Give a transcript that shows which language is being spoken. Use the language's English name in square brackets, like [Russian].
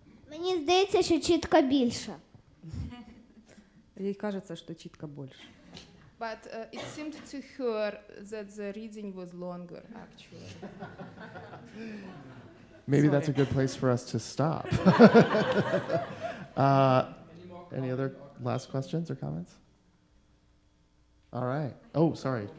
[Ukrainian] Мені здається, що читка більша. [Russian] Ей кажется, что читка больше. [English] But it seemed to her that the reading was longer, actually. Maybe that's a good place for us to stop. any other last questions or comments? All right. Oh, sorry.